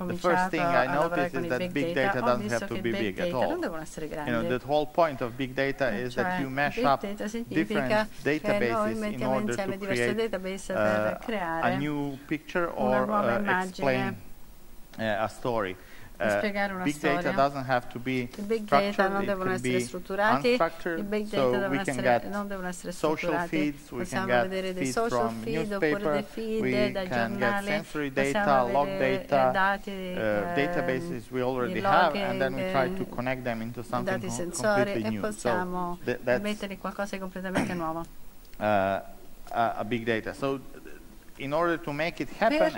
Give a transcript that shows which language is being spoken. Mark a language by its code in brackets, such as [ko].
[en] the first thing I noticed is that big data doesn't have to be big at all. You know, the whole point of big data is that you mash up different databases in order to create a new picture or explain a story. Big data doesn't have to be [it] strutturati, i big data non devono essere strutturati, possiamo vedere dei social feed oppure dei feed dai giornali, [en] sensory data, log data, databases we already have, and then we try to connect them into something completely new. [it] E possiamo mettere qualcosa di completamente nuovo. [en] A big data. So in order to make it happen [it] per